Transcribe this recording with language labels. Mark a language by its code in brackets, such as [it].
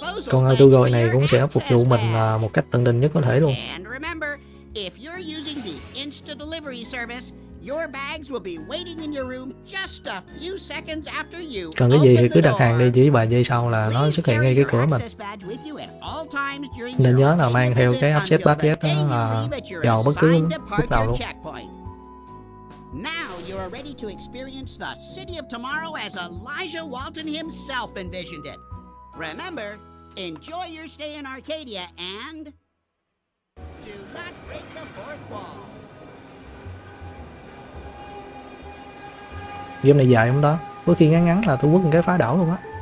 [vi] Con AutoDroid này cũng sẽ phục vụ mình một cách tận tình nhất có thể luôn. [en] And remember, if you're using the Insta Delivery service, your bags will be waiting in your room just a few seconds after you. [vi] Cần cái gì thì cứ đặt hàng đi, chỉ vài giây sau là [en] please [vi] nó xuất hiện ngay cái cửa mình. Nên nhớ là mang theo cái Access Badge đó là vào bất cứ lúc nào luôn. [en] Now you are ready to experience the city of tomorrow as Elijah Walton himself envisioned it. Remember, enjoy your stay in Arcadia and do not break the fourth wall. [vi] Game này dài không ta? Có khi ngắn ngắn là thu quốc một cái phá đảo luôn á.